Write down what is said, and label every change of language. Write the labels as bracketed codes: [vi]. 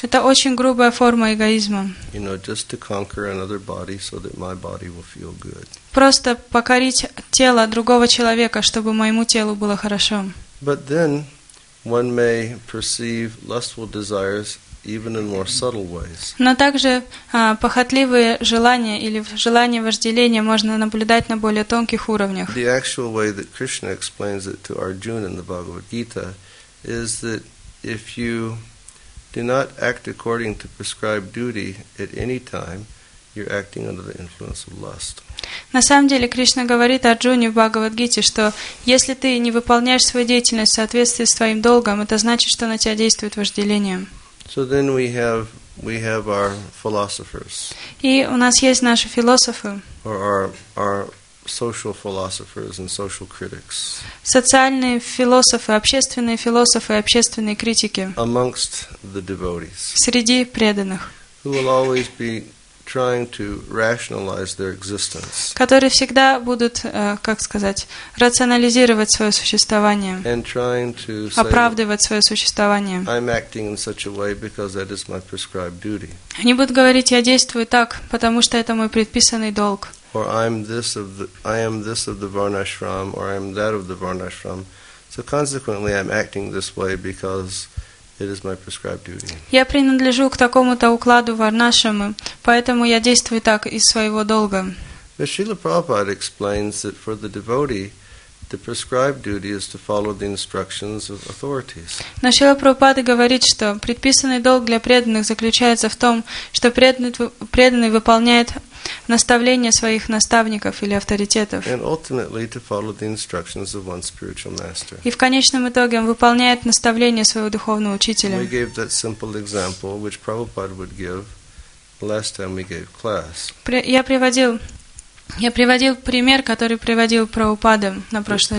[ru] Это очень грубая форма эгоизма. [en] You know, just to conquer another body so that my body will feel good. [ru] Просто покорить тело другого человека, чтобы моему телу было хорошо. [en] But then one may perceive lustful desires even in more subtle ways. [ru] Но также похотливые желания или желания вожделения можно наблюдать на более тонких уровнях. [en] The actual way that Krishna explains it to Arjuna in the Bhagavad Gita is that if you do not act according to prescribed duty at any time, you're acting under the influence of lust. [ru] На самом деле, Кришна говорит Арджуне в Бхагавад-гите, что если ты не выполняешь свою деятельность в соответствии с твоим долгом, это значит, что на тебя действует вожделение. [en] So then we have our philosophers. [ru] И у нас есть наши философы. [en] Or our social philosophers and social critics. [ru] Социальные философы, общественные философы и общественные критики. [en] Amongst the devotees. [ru] Среди преданных. [en] Who will always be trying to rationalize their existence. [ru] Которые всегда будут, как сказать, рационализировать свое существование. [en] And trying to say, [ru] оправдывать свое существование. [en] I'm acting in such a way because that is my prescribed duty. [ru] Они будут говорить: я действую так, потому что это мой предписанный долг. [en] Or I am this of the Varnashram, or I am that of the Varnashram, So consequently, I'm acting this way because it is my prescribed duty. [ru] Я принадлежу к такому-то укладу варнашрамы, поэтому я действую так из своего долга. [en] But Srila Prabhupada explains that for the devotee, the prescribed duty is to follow the instructions of authorities. [ru] Но Шрила Прабхупада говорит, что предписанный долг для преданных заключается в том, что преданный выполняет наставления своих наставников или авторитетов. [en] And ultimately to follow the instructions of one spiritual master. [ru] И в конечном итоге он выполняет наставления своего духовного учителя. [en] We gave that simple example which Prabhupada would give last time we gave class. [ru] Я приводил пример, который приводил Прабхупада на прошлой